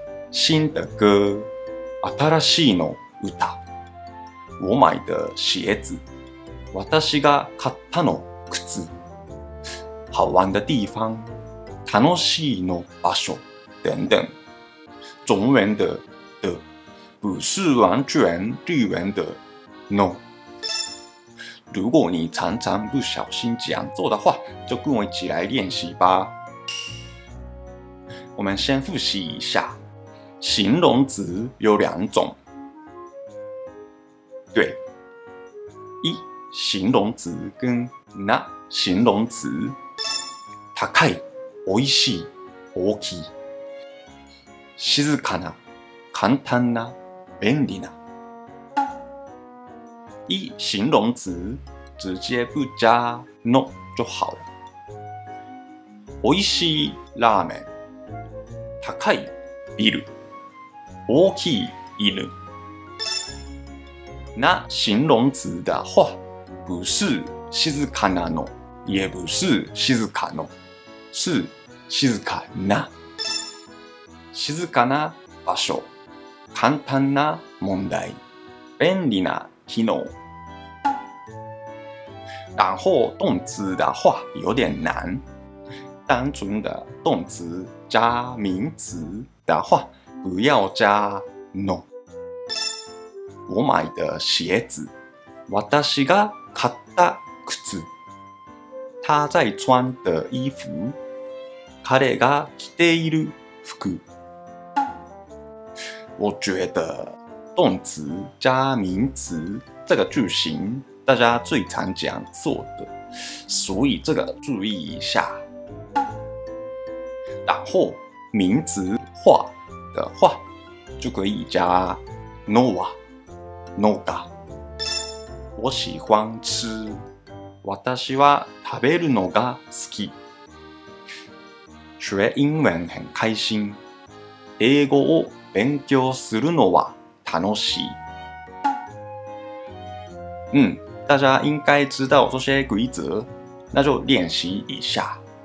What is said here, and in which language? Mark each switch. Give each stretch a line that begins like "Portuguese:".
Chinese: 新的歌，
Japanese: 新しいの歌。
Chinese: 我买的鞋子，
Japanese: 私が買ったの靴。
Chinese: 好玩的地方，
Japanese: 楽しいの場所
Chinese: 等等。中文的不是完全日文的 no。如果你常常不小心讲错的话，就跟我一起来练习吧。我们先复习一下。形容词有两种，对，一形容词跟那形容词，
Japanese: 高い、美味しい、大きい、静かな、簡単な、便利な。
Chinese: 一形容词直接不加 no 就好了，
Japanese: 美味しいラーメン、高いビール。大きい犬。
Chinese: 那形容词的话，不是静かなの，也不是静かの，是静かな。
Japanese: 静かな場所，簡単な問題，便利な機能。
Chinese: 然后动词的话有点难，单纯的动词加名词的话。不要加 no。我买的鞋子，
Japanese: 私が買った靴。
Chinese: 他在穿的衣服，
Japanese: 彼が着ている服。
Chinese: 我觉得动词加名词这个句型大家最常讲错的，所以这个注意一下。然后名词化。的话就可以加 no 啊 no 啊。我喜欢吃，
Japanese: 私は食べるのが好き。
Chinese: 学英文很开心，
Japanese: 英語を勉強するのは楽しい。
Chinese: 嗯，大家应该知道这些规则，那就练习一下。